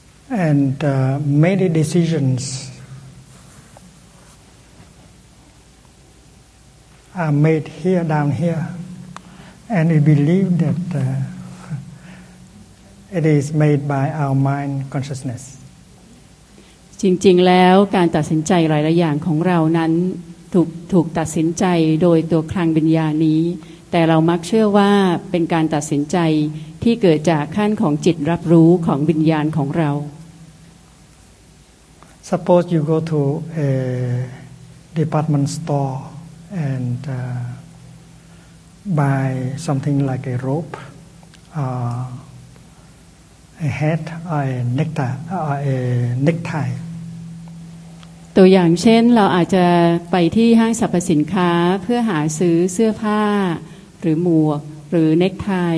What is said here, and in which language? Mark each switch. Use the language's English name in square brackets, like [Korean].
[English] and many decisions are made here down here and we believe that it is made by our mind consciousness [Thai] จริงๆแล้วการตัดสินใจหลายๆอย่างของเรานั้นถูกตัดสินใจโดยตัวคลังวิญญาณนี้แต่เรามักเชื่อว่าเป็นการตัดสินใจที่เกิดจากขั้นของจิตรับรู้ของวิญญาณของเรา [English] Suppose you go to a department store and buy something like a rope a hat or a necktie [Thai] ตัวอย่างเช่นเราอาจจะไปที่ห้างสรรพสินค้าเพื่อหาซื้อเสื้อผ้าหรือหมวกหรือเน็กไท